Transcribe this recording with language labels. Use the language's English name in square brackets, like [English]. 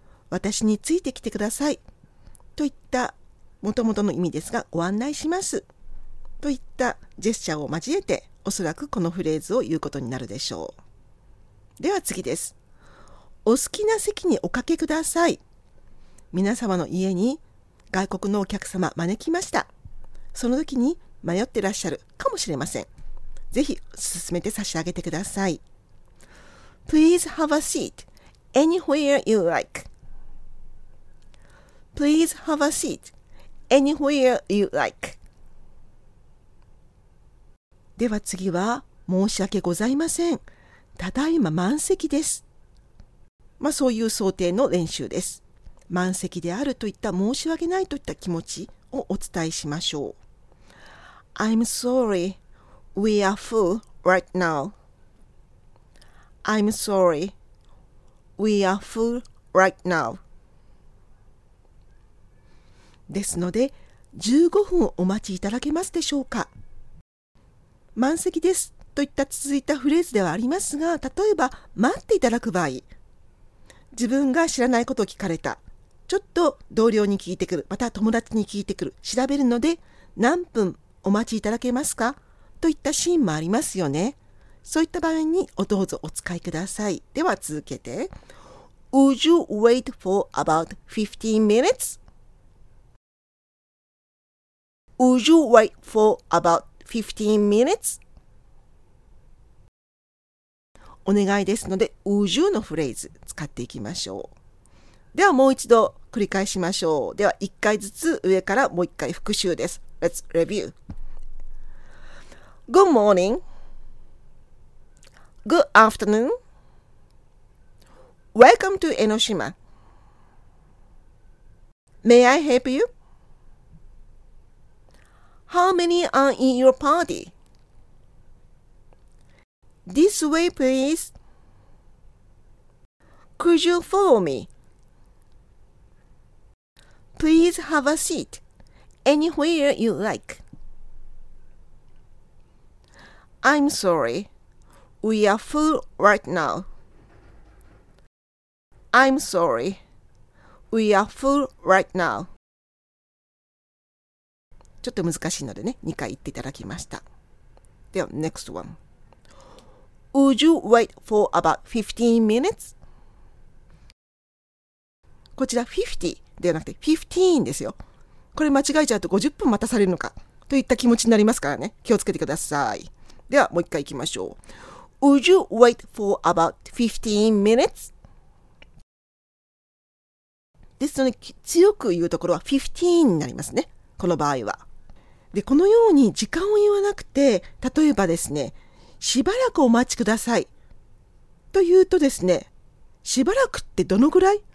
[Japanese] 私についてきてくださいといったもともとの意味ですが、ご案内しますといったジェスチャーを交えて、おそらくこのフレーズを言うことになるでしょう。では次です。お好きな席におかけください。皆様の家に外国のお客様招きました。その時に迷ってらっしゃるかもしれません。ぜひ進めて差し上げてください。 [English] Please have a seat anywhere you like. Please have a seat anywhere you like. [Japanese] では次は、申し訳ございません、ただいま満席です。まあそういう想定の練習です。満席であるといった申し訳ないといった気持ちをお伝えしましょう。 [English] I'm sorry, we are full right now. I'm sorry. We are full right now. [Japanese] ですので、15分お待ちいただけますでしょうか。満席ですといった続いたフレーズではありますが、例えば待っていただく場合、自分が知らないことを聞かれた、ちょっと同僚に聞いてくる、また友達に聞いてくる、調べるので何分お待ちいただけますかといったシーンもありますよね。そういった場合にどうぞお使いください。では続けて。 [English] Would you wait for about 15 minutes? Would you wait for about 15 minutes? [Japanese] お願いですので、 Would you のフレーズ使っていきましょう。ではもう一度繰り返しましょう。では一回ずつ上からもう一回復習です。 [English] Let's review. Good morning. Good afternoon. Welcome to Enoshima. May I help you? How many are in your party? This way, please. Could you follow me? Please have a seat anywhere you like. I'm sorry. We are full right now. I'm sorry. We are full right now. [Japanese] ちょっと難しいのでね、2回言っていただきました。 [English] では、 next one. Would you wait for about 15 minutes? [Japanese] こちら50ではなくて15ですよ。これ間違えちゃうと50分待たされるのかといった気持ちになりますからね。気をつけてください。では、もう1回いきましょう。 [English] Would you wait for about 15 minutes? [Japanese] ですので、強く言うところは15になりますね。この場合は。で、このように時間を言わなくて、例えばですね、しばらくお待ちくださいというとですね、しばらくってどのぐらい？